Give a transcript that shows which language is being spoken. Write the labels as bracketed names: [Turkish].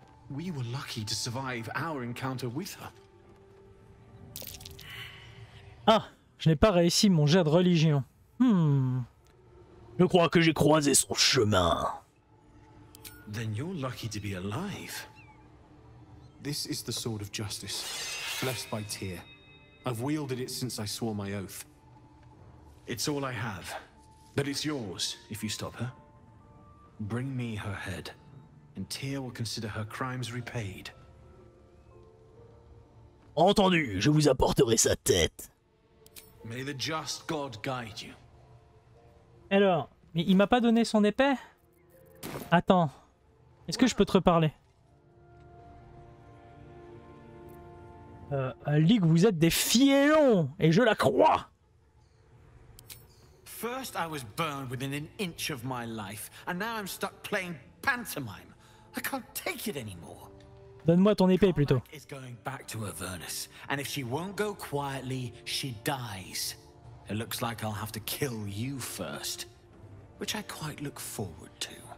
[English] We were lucky to survive our encounter with her. [French] Ah, je n'ai pas réussi mon jet de religion. Je crois que j'ai croisé son chemin. [English] Then you're lucky to be alive. This is the sword of justice, blessed by Tyr. I've wielded it since I swore my oath. It's all I have. But it's yours, if you stop her. Bring me her head, and Tyr will consider her crimes repaid. [French] Entendu, je vous apporterai sa tête. [English] May the just God guide you. [French] Alors, mais il m'a pas donné son épée? Attends, est-ce que je peux te reparler? Lig, vous êtes des fielons, et je la crois! [English] First I was burned within an inch of my life, and now I'm stuck playing pantomime. I can't take it anymore. [French] Donne-moi ton épée plutôt. [English] Karlak is going back to Avernus, and if she won't go quietly, she dies. It looks like I'll have to kill you first, which I quite look forward to.